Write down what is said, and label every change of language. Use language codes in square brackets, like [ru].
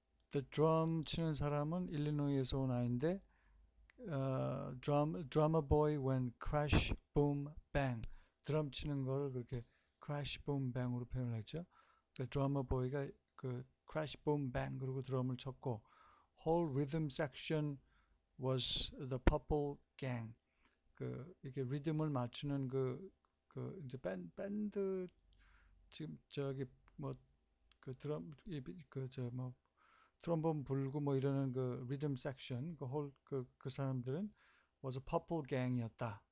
[en] The drum [ko] 치는 사람은 일리노이에서 온 아이인데 [en] drummer boy went crash, boom, bang. [ko] 드럼 치는 거를 그렇게 [en] crash, boom, bang [ko] 으로 표현을 했죠. 그 drummer boy가 그 [en] crash, boom, bang [ko] 그리고 드럼을 쳤고 [en] whole rhythm section was the purple gang. [ko] 그 이렇게 리듬을 맞추는 그 이제 밴드 지금 저기 뭐 그 드럼 그 저 뭐 트럼본 불고 뭐 이러는 그 리듬 섹션 그 홀 그 사람들은 [en] was a purple gang [ko] 이었다.